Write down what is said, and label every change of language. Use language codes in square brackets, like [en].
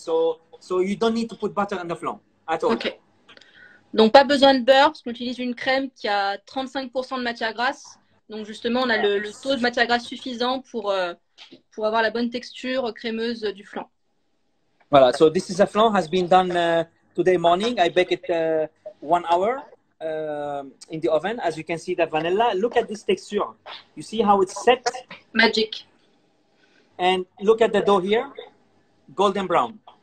[en] So you don't need to put butter in the flour at all. Okay. [fr] Donc pas besoin de beurre, parce qu'on utilise une crème qui a 35% de matière grasse. Donc justement, on a le taux de matière grasse suffisant pour avoir la bonne texture crémeuse du flan. Voilà. [en] So this is a flan has been done today morning. I bake it 1 hour in the oven. As you can see, the vanilla. Look at this texture. You see how it's set? Magic. And look at the dough here, golden brown.